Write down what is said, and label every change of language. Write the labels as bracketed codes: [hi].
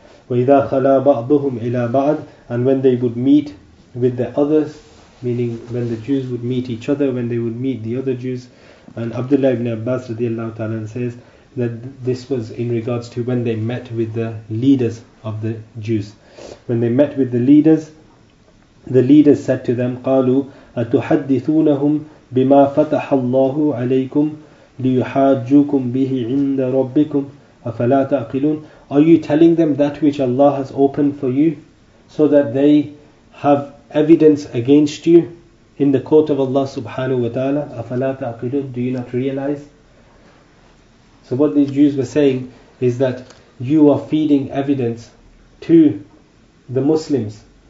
[ar] وَإِذَا خَلَى بَعْضُهُمْ إِلَى بَعْضٍ. [en] And when they would meet with the others, meaning when the Jews would meet each other, when they would meet the other Jews, and Abdullah ibn Abbas radiallahu ta'ala says that this was in regards to when they met with the leaders of the Jews. When they met with the leaders said to them, [ar] قَالُوا أَتُحَدِّثُونَهُمْ بِمَا فَتَحَ اللَّهُ عَلَيْكُمْ لِيُحَاجُّكُمْ بِهِ عِنْدَ رَبِّكُمْ أَفَلَا تَعْقِلُونَ. [en] Are you telling them that which Allah has opened for you so that they have evidence against you in the court of Allah subhanahu wa ta'ala? [ar] أَفَلَا تَعْقِلُونَ. [en] Do you not realize? So what these Jews were saying is that you are feeding evidence to the Muslims.